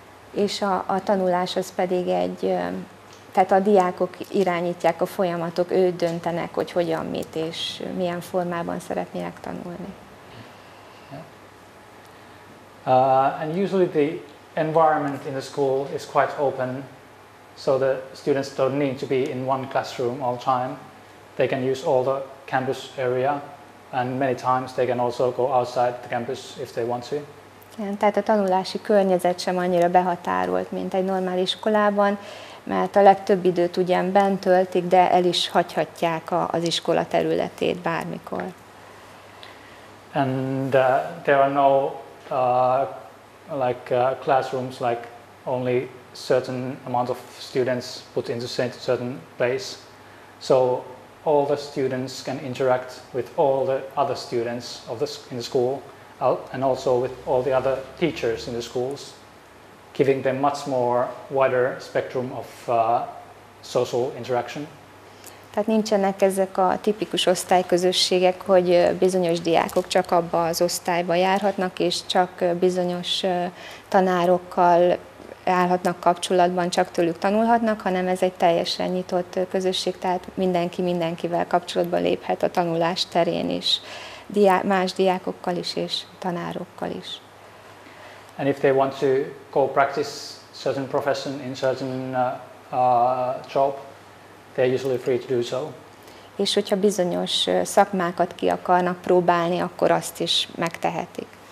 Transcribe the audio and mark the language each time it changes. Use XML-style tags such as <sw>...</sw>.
<hu>És a tanulás az pedig egy, tehát a diákok irányítják a folyamatok, ők döntenek, hogy hogyan, mit, és milyen formában szeretnének tanulni.</hu> <en>And usually the environment in the school is quite open, so the students don't need to be in one classroom all the time. They can use all the campus area, and many times they can also go outside the campus if they want to.</en> <hu>Igen, tehát a tanulási környezet sem annyira behatárolt, mint egy normál iskolában, mert a legtöbb időt ugyan bent töltik, de el is hagyhatják az iskola területét bármikor.</hu> <en>And there are no classrooms like only certain amount of students put into certain place, so all the students can interact with all the other students of the in the school and also with all the other teachers in the schools, giving them much more wider spectrum of social interaction.</en> <hu>Tehát nincsenek ezek a tipikus osztályközösségek, hogy bizonyos diákok csak abba az osztályba járhatnak, és csak bizonyos tanárokkal állhatnak kapcsolatban, csak tőlük tanulhatnak, hanem ez egy teljesen nyitott közösség, tehát mindenki mindenkivel kapcsolatban léphet a tanulás terén is, más diákokkal is és tanárokkal is.</hu> <en>And if they want to go practice certain profession in certain job, they're usually free to do so.</en> <hu>És hogyha bizonyos szakmákat ki akarnak próbálni, akkor azt is megtehetik.</hu>